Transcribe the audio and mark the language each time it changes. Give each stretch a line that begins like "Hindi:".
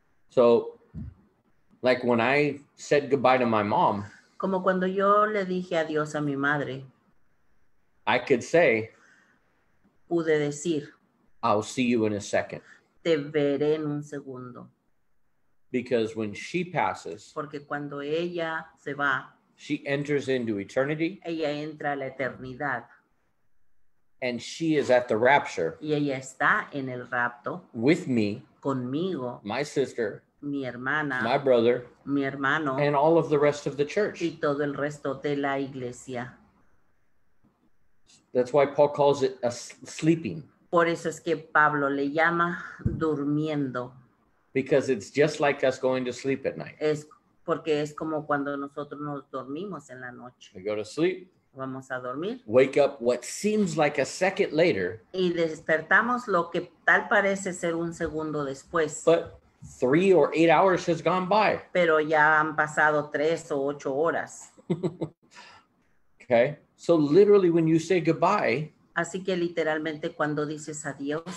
English: So, like when I said goodbye to my mom,
Spanish: como cuando yo le dije adiós a mi madre,
English: I could say,
Spanish: pude decir,
English: I'll see you in a second.
Spanish: Te veré en un segundo.
English: Because when she passes,
Spanish: porque cuando ella se va,
English: she enters into eternity.
Spanish: Ella entra a la eternidad.
English: And she is at the rapture.
Spanish: Y ella está en el rapto.
English: With me.
Spanish: Conmigo.
English: My sister.
Spanish: Mi hermana.
English: My brother.
Spanish: Mi hermano.
English: And all of the rest of the church.
Spanish: Y todo el resto de la iglesia.
English: That's why Paul calls it a sleeping.
Spanish: Por eso es que Pablo le llama durmiendo.
English: Because it's just like us going to sleep at night.
Spanish: Es porque es como cuando nosotros nos dormimos en la noche.
English: We go to sleep.
Spanish: Vamos a dormir.
English: Wake up what seems like a second later.
Spanish: Y despertamos lo que tal parece ser un segundo después.
English: But 3 or 8 hours has gone by.
Spanish: Pero ya han pasado 3 o 8 horas.
English: Okay. So literally when you say goodbye,
Spanish: así que literalmente cuando dices adiós,